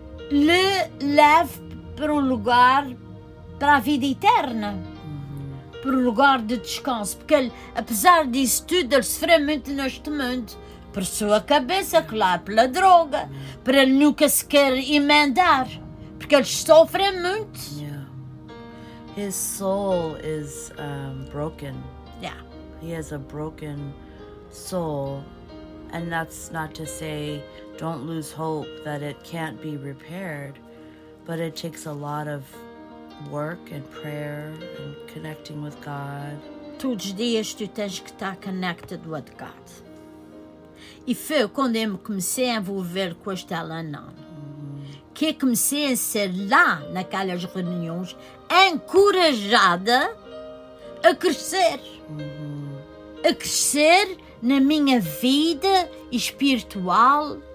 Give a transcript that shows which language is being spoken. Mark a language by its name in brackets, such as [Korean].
[Portuguese] lhe leve para um lugar, para a vida eterna, para o lugar de descanso, porque ele, apesar disso tudo, ele sofreu muito neste mundo, por sua cabeça, claro, pela droga, para ele nunca se quer emendar, porque ele sofre muito. [English] Yeah. His soul is broken. Yeah. He has a broken soul, and that's not to say don't lose hope that it can't be repaired, but it takes a lot of work and prayer and connecting with God. [Portuguese] Todos os dias tu tens que estar [English] connected with God. [Portuguese] E foi quando eu comecei a envolver com esta Alana, que eu comecei a ser lá naquelas reuniões encorajada a crescer. A crescer na minha vida espiritual.